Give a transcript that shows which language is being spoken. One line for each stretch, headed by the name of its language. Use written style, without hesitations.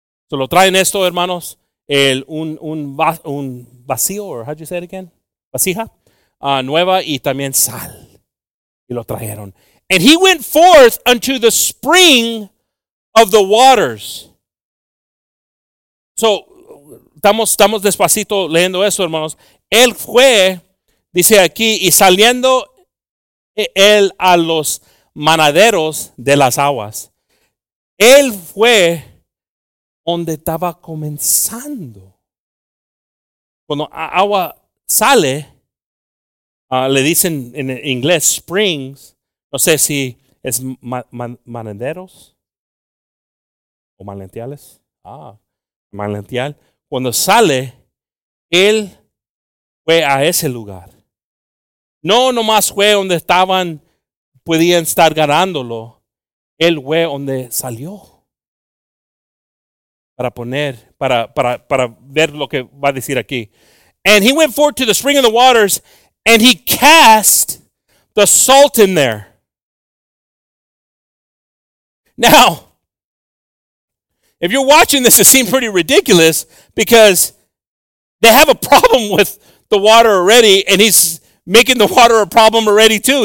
Spanish: So lo traen esto, hermanos, el un vacío,
English: or how'd you say it again?
Spanish: Vasija. Nueva y también sal. Y lo trajeron.
English: And he went forth unto the spring of the waters.
Spanish: So, estamos despacito leyendo eso, hermanos. Él fue, dice aquí, y saliendo él a los manaderos de las aguas. Él fue donde estaba comenzando. Cuando agua sale, le dicen en inglés springs. No sé si es manaderos. O manantiales. Ah, manantial. Cuando sale, él fue a ese lugar. No nomás fue donde estaban, podían estar ganándolo. Él fue donde salió. Para poner, para ver lo que va a decir aquí.
English: And he went forth to the spring of the waters, and he cast the salt in there. Now, if you're watching this, it seems pretty ridiculous because they have a problem with the water already, and he's making the water a problem already too.